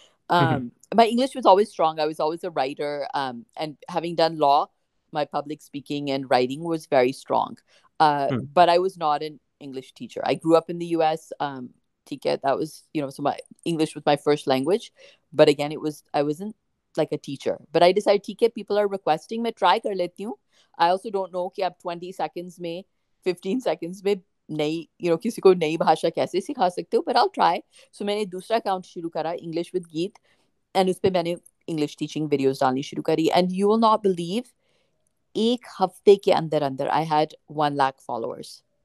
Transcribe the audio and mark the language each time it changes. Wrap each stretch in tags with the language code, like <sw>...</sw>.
<en>My English was always strong. I was always a writer. And having done law, my public speaking and writing was very strong. But I was not an English teacher. I grew up in the US. That was, you know, so my English was my first language. But again, I wasn't like a teacher, but I decided</en> <hi>ठीक है,</hi> <en>people are requesting,</en> <hi>मैं try कर लेती हूँ.</hi> <en>I also don't know</en> <hi>कि आप 20 seconds में, 15 seconds में नई,</hi> <en>you know,</en> <hi>किसी को नई भाषा कैसे सिखा सकते हो,</hi> <en>but I'll try.</en> <hi>So मैंने दूसरा account शुरू करा, English with Geet, and उस पर मैंने English teaching videos डालनी शुरू करी.</hi> <en>And you will not believe,</en> <hi>एक हफ्ते के अंदर अंदर</hi> <en>I had 1 lakh followers.</en>